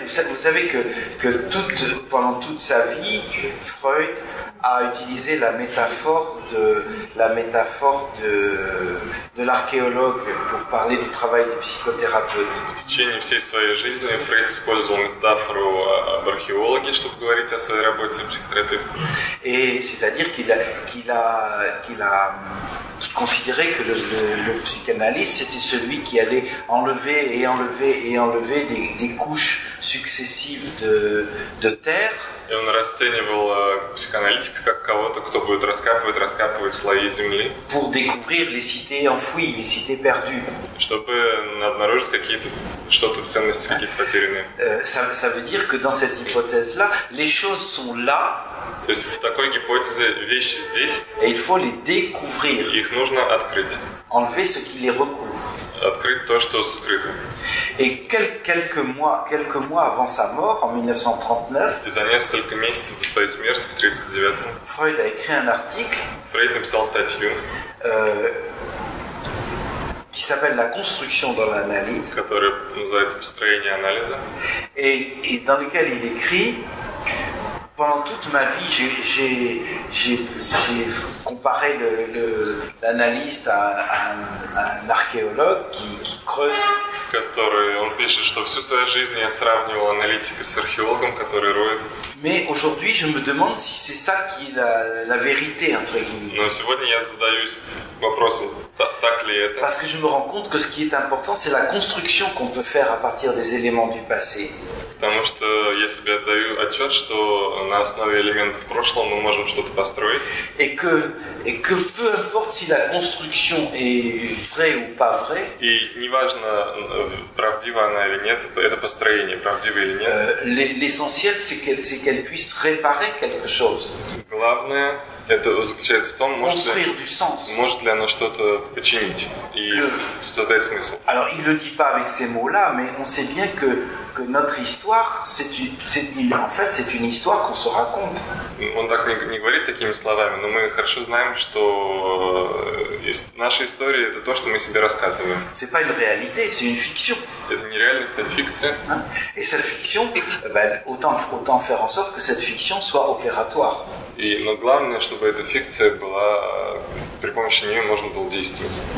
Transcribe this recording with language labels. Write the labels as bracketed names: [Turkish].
[French] Vous savez que toute, pendant toute sa vie, Freud a utilisé la métaphore de l'archéologue pour parler du travail du psychothérapeute. [Russian] В течение всей своей жизни Фрейд использовал метафору об археологе, чтобы говорить о своей работе психотерапевта. [French] Et c'est-à-dire qu'il considérait que le psychanalyste c'était celui qui allait enlever des couches successives de terre. [Russian] И он расценивал психоаналитика как кого-то, кто будет раскапывать слои земли. [French] Pour découvrir les cités enfouies, les cités perdues. [Russian] Чтобы обнаружить что-то в ценности, какие-то потерянные. [French] Ça veut dire que dans cette hypothèse-là, les choses sont là. [Russian] То есть в такой гипотезе вещи здесь. [French] Et il faut les découvrir. [Russian] Их нужно открыть. [French] Enlever ce qui les recouvre. [Russian] Открыть то, что скрыто. [French] Et quelques mois avant sa mort, en 1939, [Russian] за несколько месяцев до своей смерти, в 1939, [French] Freud a écrit un article, [Russian] Фрейд написал статью, [French] qui s'appelle La construction dans l'analyse, [Russian] которая называется «Построение анализа», [French] et dans lequel il écrit: pendant toute ma vie, j'ai comparé l'analyste à un archéologue qui creuse. [Russian] Который, он пишет, что всю свою жизнь я сравнивал аналитика с археологом, который роет. [French] Mais aujourd'hui, je me demande si c'est ça qui est la vérité entre guillemets. [Russian] Но сегодня я задаюсь вопросом, так ли это? [French] Parce que je me rends compte que ce qui est important, c'est la construction qu'on peut faire à partir des éléments du passé. [Russian] Потому что я себе отдаю отчет, что на основе элементов прошлого мы можем что-то построить. [French] Et que peu importe si la construction est vraie ou pas vraie. [Russian] И неважно, правдива она или нет, это построение правдиво или нет. [French] L'essentiel c'est qu'elle puisse réparer quelque chose. [Russian] Главное это заключается в том, может ли она что-то починить и создать смысл. [French] Alors il le dit pas avec ces mots-là, mais on sait bien que notre histoire, c'est une histoire qu'on se raconte. [Russian] Он так не говорит такими словами, но мы хорошо знаем, что наша история — это то, что мы себе рассказываем. [French] C'est pas une réalité, c'est une fiction. [Russian] Это не реальность, это фикция. [French] Et cette fiction, autant faire en sorte que cette fiction soit opératoire. [Russian] Но главное, чтобы эта фикция была, при помощи нее можно было действовать.